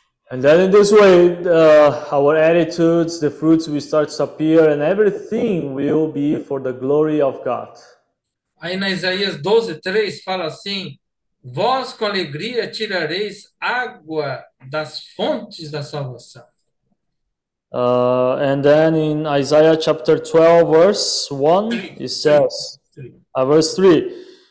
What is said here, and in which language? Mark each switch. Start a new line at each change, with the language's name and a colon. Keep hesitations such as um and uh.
English: And then in this way, our attitudes, the fruits we start to appear, and everything will be for the glory of God.
Portuguese: Aí na Isaías 12, 3 fala assim: Vós com alegria tirareis água das fontes da salvação.
English: Uh, and then in Isaiah chapter 12, verse 1, it says, verse 3.